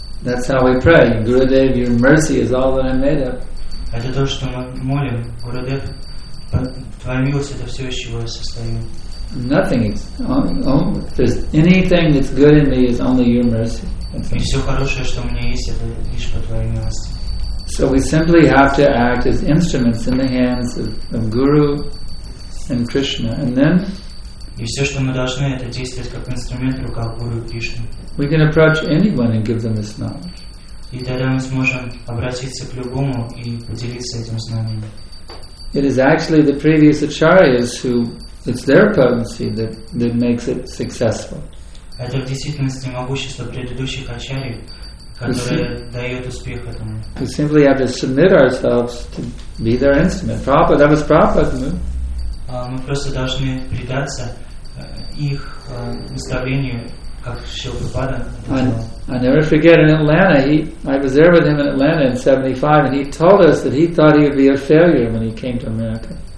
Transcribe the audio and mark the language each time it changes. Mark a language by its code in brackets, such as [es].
[en] That's how we pray, Gurudev, your mercy is all that I'm made of. [ru] Это то, что мы молим, Гурудев, твоя милость это все, из чего я состою. [en] Nothing is only, if there's anything that's good in me is only your mercy. [ru] И все хорошее, что у меня есть, это лишь по твоей милости. [en] So we simply have to act as instruments in the hands of Guru and Krishna, and then. [ru] И все, что мы должны, это действовать как инструмент в руках Гуру и Кришны. [en] We can approach anyone and give them this knowledge. [ru] И тогда мы сможем обратиться к любому и поделиться этим знанием. [en] It is actually the previous acharyas who it's their potency that makes it successful. [ru] Это в действительности могущество предыдущих ачарий, которое дает успех этому. [en] We simply have to submit ourselves to be their instrument. Prabhupada, that was Prabhupada. [ru] Мы просто должны предаться их наставлению. [en] I never forget in Atlanta. I was there with him in Atlanta in 75, and he told us that he thought he would be a failure when he came to America.